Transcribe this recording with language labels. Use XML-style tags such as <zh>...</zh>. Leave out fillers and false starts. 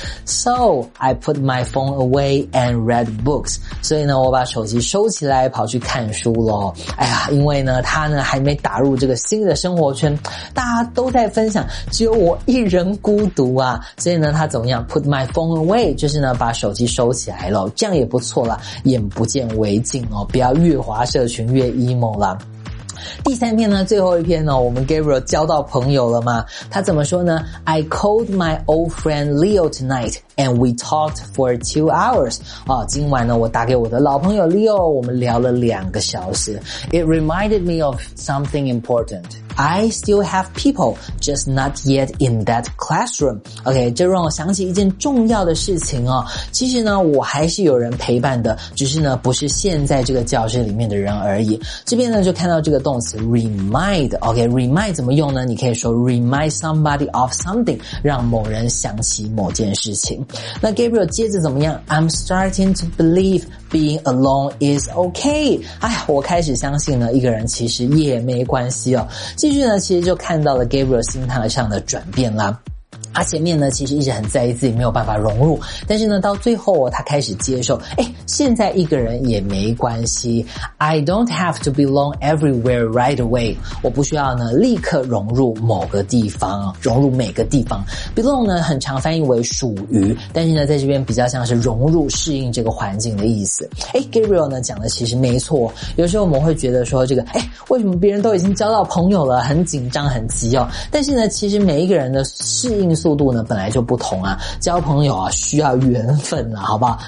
<en>So I put my phone away and read books.</en> <zh>所以呢，我把手机收起来，跑去看书咯。哎呀，因为呢，他呢还没打入这个新的生活圈，大家都在分享，只有我一人孤独啊。所以呢，他怎么样 ？</zh> <en>Put my phone away，</en> <zh>就是呢把手机收起来咯，这样也不错啦，眼不见为净哦，不要越滑社群越 emo 啦。第三篇呢，最后一篇呢，我们 Gabriel 交到朋友了吗？他怎么说呢</zh> <en>？I called my old friend Leo tonight. And we talked for 2 hours.</en> <zh>哦，今晚呢，我打给我的老朋友 Leo， 我们聊了两个小时。</zh> <en>It reminded me of something important. I still have people, just not yet in that classroom.</en> <zh>OK, 这让我想起一件重要的事情哦。其实呢，我还是有人陪伴的，只是呢，不是现在这个教室里面的人而已。这边呢，就看到这个动词 remind. OK, remind 怎么用呢？你可以说</zh> <en>remind somebody of something，</en> <zh>让某人想起某件事情。那 Gabriel 接着怎么样</zh> <en>？I'm starting to believe being alone is okay.</en> <zh>哎，我开始相信呢，一个人其实也没关系哦。继续呢，其实就看到了 Gabriel 心态上的转变啦。他前面呢其实一直很在意自己没有办法融入，但是呢到最后哦，他开始接受，诶，现在一个人也没关系。</zh> <en>I don't have to belong everywhere right away.</en> <zh>我不需要呢立刻融入某个地方，融入每个地方。 belong 呢很常翻译为属于，但是呢在这边比较像是融入适应这个环境的意思。诶， Gabriel 呢讲的其实没错，有时候我们会觉得说这个，诶，为什么别人都已经交到朋友了，很紧张很急哦，但是呢其实每一个人的适应速度呢本来就不同啊，交朋友啊需要缘分啊，好不好？</zh>